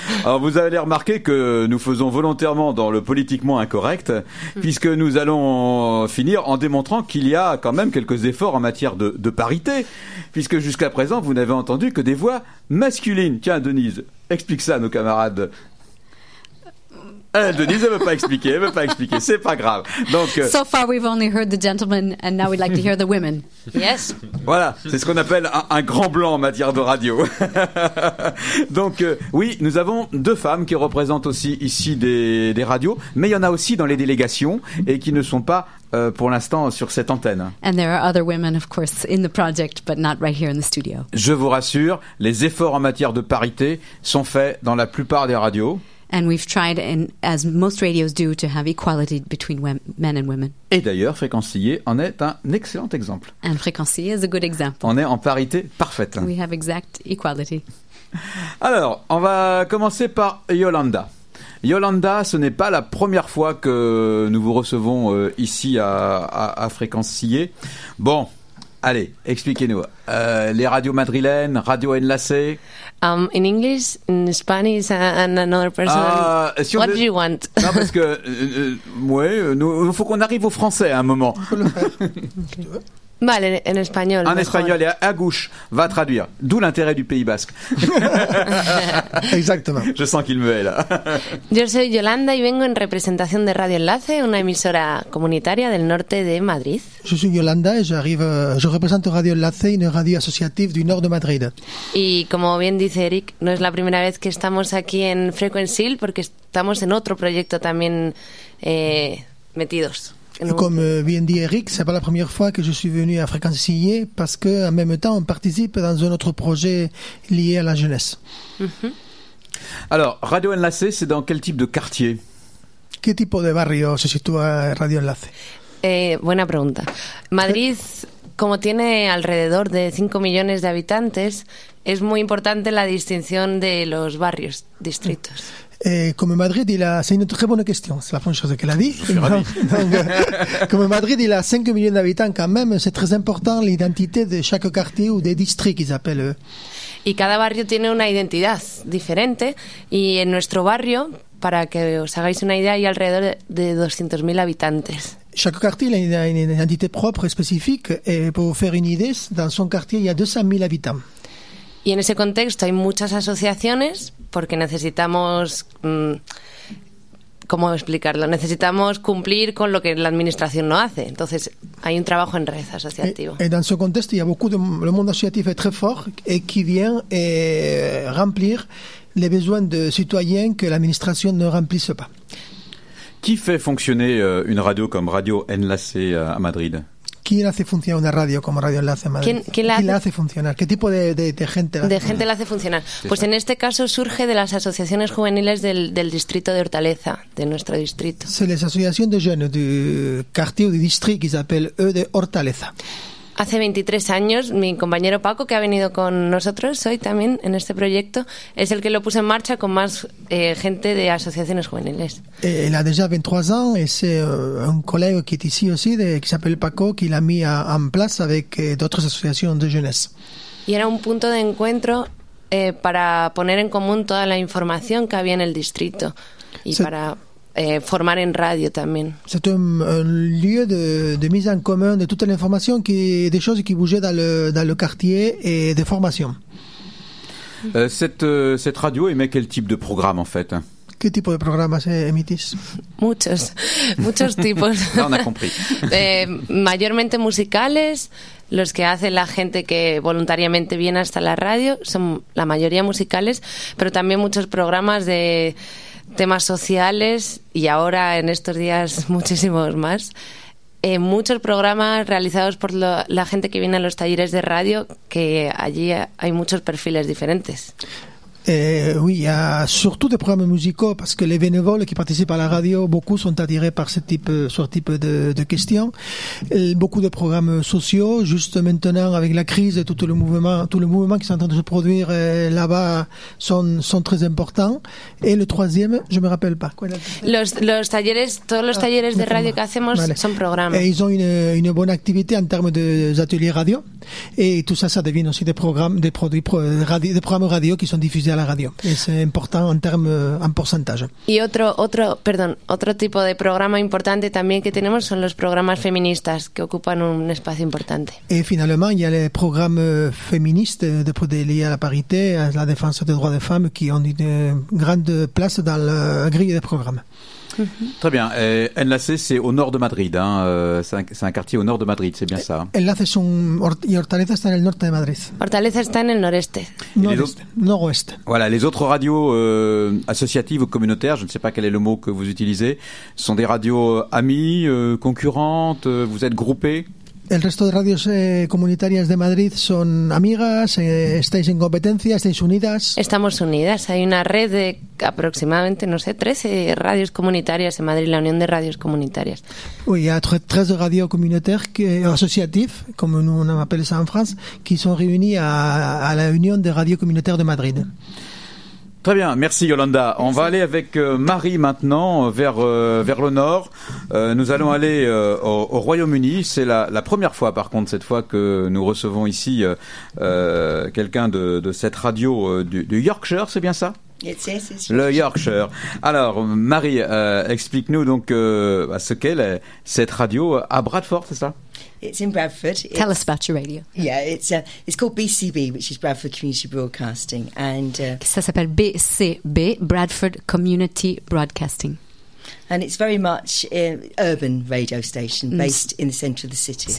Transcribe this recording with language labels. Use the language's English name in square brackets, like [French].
[French] Alors, vous avez remarqué que nous faisons volontairement dans le politiquement incorrect, puisque nous allons finir en démontrant qu'il y a quand même quelques efforts en matière de parité, puisque jusqu'à présent, vous n'avez entendu que des voix masculines. Tiens, Denise, explique ça à nos camarades. Denise, elle ne veut pas expliquer, elle ne veut pas expliquer, c'est pas grave. Donc, [English] so far, we've only heard the gentlemen, and now we'd like to hear the women. Yes. [French] Voilà, c'est ce qu'on appelle un grand blanc en matière de radio. Donc, oui, nous avons deux femmes qui représentent aussi ici des radios, mais il y en a aussi dans les délégations et qui ne sont pas pour l'instant sur cette antenne. [English] And there are other women, of course, in the project, but not right here in the studio. [French] Je vous rassure, les efforts en matière de parité sont faits dans la plupart des radios. [English] And we've tried, in, as most radios do, to have equality between men and women. [French] Et d'ailleurs, Fréquencier en est un excellent exemple. [English] And Fréquencier is a good example. [French] On est en parité parfaite. [English] We have exact equality. [French] Alors, on va commencer par Yolanda. Yolanda, ce n'est pas la première fois que nous vous recevons ici à Fréquencier. Bon. Allez, expliquez-nous. Les radios madrilènes, Radio Enlace. [English] In English, in Spanish, and another person. Si what do you want? [French] Non, parce que, il faut qu'on arrive au français à un moment. [Spanish] Vale, en español. En español, [French] et à gauche, va traduire. D'où l'intérêt du Pays Basque. Exactement. Je sens qu'il me hait, là. [Spanish] Yo soy Yolanda y vengo en representación de Radio Enlace, una emisora comunitaria del norte de Madrid. [French] Je suis Yolanda et je représente Radio Enlace, une radio associative du nord de Madrid. [Spanish] Y como bien dice Eric, no es la primera vez que estamos aquí en Frequency, porque estamos en otro proyecto también metidos. [French] Comme bien dit Eric, c'est pas la première fois que je suis venu à Fréquencier parce que en même temps on participe dans un autre projet lié à la jeunesse. Alors, Radio Enlace, c'est dans quel type de quartier? [Spanish] ¿Qué tipo de barrio se sitúa Radio Enlace? Buena pregunta. Madrid, como tiene alrededor de 5 millones de habitantes, es muy importante la distinción de los barrios, distritos. [French] Et comme Madrid, il a, c'est une très bonne question, c'est la première chose qu'elle a dit. Comme Madrid, il a 5 millions d'habitants quand même, c'est très important l'identité de chaque quartier ou des districts qu'ils appellent. Et chaque barrio [Spanish] tiene [French] une identité différente. Et en notre barrio, pour que vous [Spanish] hagáis [French] une idée, il y a [Spanish] alrededor de [French] 200 000 habitants. Chaque quartier a une identité propre et spécifique. Et pour vous faire une idée, dans son quartier, il y a 200 000 habitants. [Spanish] Y en ese contexto hay muchas asociaciones porque necesitamos, ¿cómo explicarlo? Necesitamos cumplir con lo que la administración no hace. Entonces hay un trabajo en red asociativo. Y en ese contexto hay mucho, el mundo asociativo es muy fuerte y que viene a [French] remplir [Spanish] los [French] besoins [Spanish] de ciudadanos que la administración no [French] remplisse pas. ¿Qui fait fonctionner une radio comme Radio Enlace à Madrid? [Spanish] ¿Quién hace funcionar una radio como Radio Enlace Madrid? ¿Quién la hace funcionar? ¿Qué tipo de gente la hace? De gente la hace funcionar. Pues en este caso surge de las asociaciones juveniles del distrito de Hortaleza, de nuestro distrito. [French] C'est les associations de jeunes du quartier ou du district qui s'appelle eux de Hortaleza. [Spanish] Hace 23 años, mi compañero Paco, que ha venido con nosotros hoy también en este proyecto, es el que lo puso en marcha con más gente de asociaciones juveniles. Él ha [French] déjà [Spanish] 23 años, es un colega que está aquí [French] aussi, [Spanish] que se llama Paco, que lo ha puesto [French] en place avec d'autres [Spanish] asociaciones [French] de jeunesse. [Spanish] Y era un punto de encuentro para poner en común toda la información que había en el distrito y para formar en radio también. [French] C'est un lieu de mise en commun de toute l'information qui des choses qui bougeaient dans le quartier et de formation. Cette radio émet quel type de programme en fait? [Spanish] ¿Qué tipo de programas emitís? Muchos, muchos tipos. No, no cumplí. Mayormente musicales, los que hace la gente que voluntariamente viene hasta la radio, son la mayoría musicales, pero también muchos programas de temas sociales y ahora en estos días muchísimos más. Muchos programas realizados por la gente que viene a los talleres de radio, que allí hay muchos perfiles diferentes. [French] Oui, il y a surtout des programmes musicaux parce que les bénévoles qui participent à la radio, beaucoup sont attirés par ce type de questions. Et beaucoup de programmes sociaux, juste maintenant avec la crise et tout le mouvement qui est en train de se produire là-bas sont très importants. Et le troisième, je me rappelle pas. Tous les [Spanish] talleres de radio que hacemos [French] sont programmes. Et ils ont une bonne activité en termes d'ateliers radio. Et tout ça devient aussi des programmes radio qui sont diffusés a la radio. [Spanish] Es importante en términos en porcentaje. Y otro tipo de programa importante también que tenemos son los programas feministas que ocupan un espacio importante. Y finalmente, hay los programas feministas después de liar a [French] la parité, [Spanish] a la defensa de los derechos de las mujeres que han tenido una gran plaza en la grilla de programas. [French] Mm-hmm. Très bien. Enlace, c'est au nord de Madrid. Hein. C'est un quartier au nord de Madrid, c'est bien ça. [Spanish] Enlace son et Hortaleza está en el norte de Madrid. Hortaleza está en el noreste. [French] Nord-ouest. Voilà, les autres radios associatives ou communautaires, je ne sais pas quel est le mot que vous utilisez, sont des radios amies, concurrentes, vous êtes groupés. [Spanish] El resto de radios comunitarias de Madrid son amigas, estáis en competencia, estáis unidas. Estamos unidas, hay una red de aproximadamente, no sé, 13 radios comunitarias en Madrid, la Unión de Radios Comunitarias. [French] Oui, il y a 13 radios communautaires associatives, comme on appelle ça en France, qui sont réunies à la Unión de Radio Comunitaires de Madrid. Très bien, merci Yolanda. On va aller avec Marie maintenant vers le nord. Nous allons aller au Royaume-Uni. C'est la première fois, par contre, cette fois que nous recevons ici quelqu'un de cette radio du Yorkshire, c'est bien ça ? Le Yorkshire. Alors, Marie, explique-nous donc ce qu'est cette radio à Bradford, c'est ça ? [English] It's in Bradford. Tell us about your radio. Yeah, it's called BCB, which is Bradford Community Broadcasting, and [French] ça s'appelle BCB, Bradford Community Broadcasting. [English] And it's very much an urban radio station based in the centre of the city.